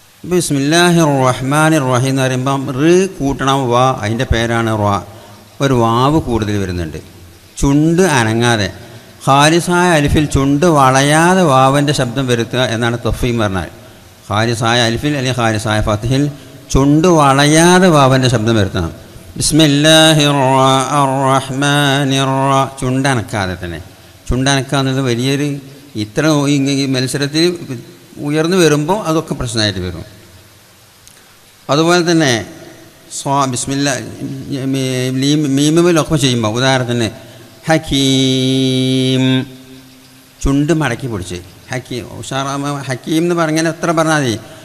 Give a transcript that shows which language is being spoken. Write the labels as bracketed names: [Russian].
[Malayalam] ബിസ്മില്ലാഹിർ റഹ്മാനിർ റഹീം എന്ന് പറയുമ്പം റ് കൂട്ടണം വ, അതിൻ്റെ പേരാണ് റ. ഒരു വാവ് കൂടുതൽ വരുന്നുണ്ട്. ചുണ്ട് അനങ്ങാതെ ഖാലിസായ അലിഫിൽ ചുണ്ട് വളയാതെ വാവിൻ്റെ ശബ്ദം വരുത്തുക എന്നാണ് തഫീം പറഞ്ഞാൽ. ഖാലിസായ അലിഫിൽ അല്ലെങ്കിൽ ഖാലിസായ ഫത്ഹിൽ ചുണ്ട് വളയാതെ വാവിൻ്റെ ശബ്ദം വരുത്തണം. [Arabic] بسم الله الرحمن الرحيم [Malayalam] ചുണ്ടനക്കാതെ തന്നെ. ചുണ്ടനക്കാന്നത് വലിയൊരു ഇത്ര മത്സരത്തിൽ ഉയർന്നു വരുമ്പോൾ അതൊക്കെ പ്രശ്നമായിട്ട് വരും. അതുപോലെ തന്നെ ബിസ്മില്ലാമിലൊക്കെ ചെയ്യുമ്പോൾ ഉദാഹരണത്തിന് ഹക്കീം ചുണ്ട് മടക്കി പിടിച്ച് ഹക്കീം ഉഷാറാമ ഹക്കീം എന്ന് പറഞ്ഞാൽ എത്ര പറഞ്ഞാൽ മതി.